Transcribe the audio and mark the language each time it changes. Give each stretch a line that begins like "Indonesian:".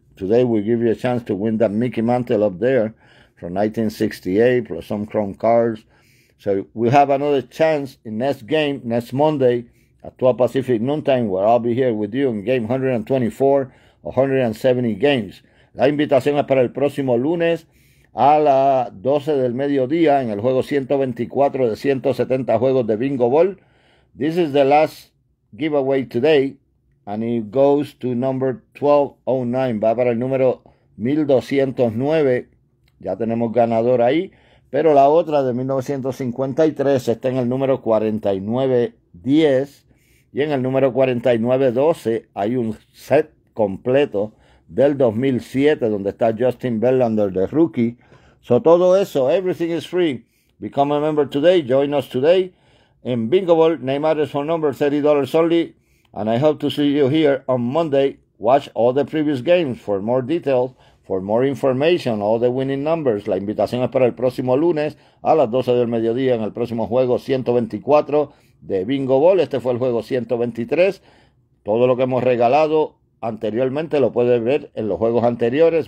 English: Today we give you a chance to win that Mickey Mantle up there from 1968 plus some chrome cards. So we have another chance in next game, next Monday at 12 Pacific noontime, where I'll be here with you in game 124, 170 games.
Spanish: La invitación es para el próximo lunes a las 12 del mediodía en el juego 124 de 170 juegos de Bingo Ball.
English: This is the last giveaway today, and it goes to number 1209.
Spanish: Va para el número 1209. Ya tenemos ganador ahí, pero la otra de 1953 está en el número 4910 y en el número 4912 hay un set completo del 2007 donde está Justin Verlander de rookie.
English: So
Spanish: todo eso,
English: everything is free. Become a member today, join us today in Vingoball, name, address, phone number, $30 only, and I hope to see you here on Monday. Watch all the previous games for more details, for more information, all the winning numbers.
Spanish: La invitación es para el próximo lunes a las 12 del mediodía en el próximo juego 124 de Bingo Ball. Este fue el juego 123. Todo lo que hemos regalado anteriormente lo puede ver en los juegos anteriores.